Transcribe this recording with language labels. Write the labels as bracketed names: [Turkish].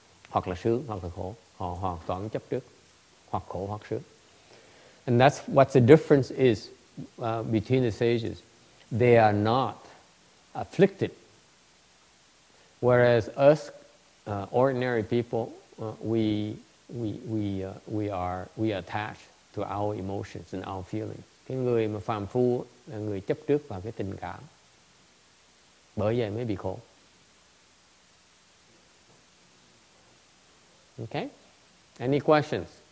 [Vietnamese] Hoặc là sướng hoặc là khổ, họ hoàn toàn chấp trước, hoặc khổ hoặc sướng. [English] And that's what the difference is between the sages. They are not afflicted, whereas us ordinary people we are attached to our emotions and our feelings. [Vietnamese] Cái người mà phàm phu là người chấp trước vào cái tình cảm, bởi vậy mới bị khổ. [English] Okay? Any questions?